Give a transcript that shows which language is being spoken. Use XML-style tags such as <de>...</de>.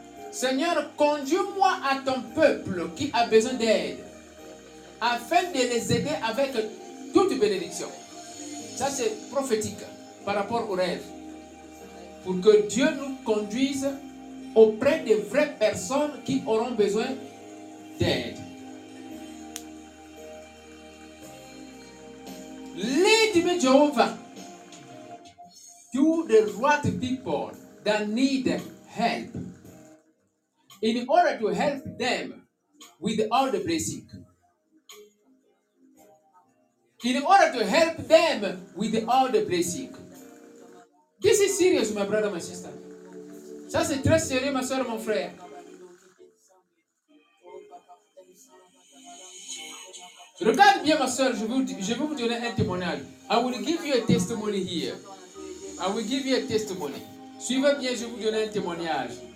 <fr>Seigneur, conduis-moi à ton peuple qui a besoin d'aide, afin de les aider avec toute bénédiction. Ça, c'est prophétique par rapport au rêve. Pour que Dieu nous conduise auprès des vraies personnes qui auront besoin d'aide.</fr> <en>Lead me, Jehovah, to the right people that need help, in order to help them with all the blessing. In order to help them with all the blessing. This is serious, my brother, my sister.</en> <fr>Ça, c'est très sérieux, ma soeur, mon frère. Regarde bien, ma soeur, je vais vous donner un témoignage.</fr> <en>I will give you a testimony here. I will give you a testimony.</en> <fr>Suivez bien, je vais vous donner un témoignage.</fr>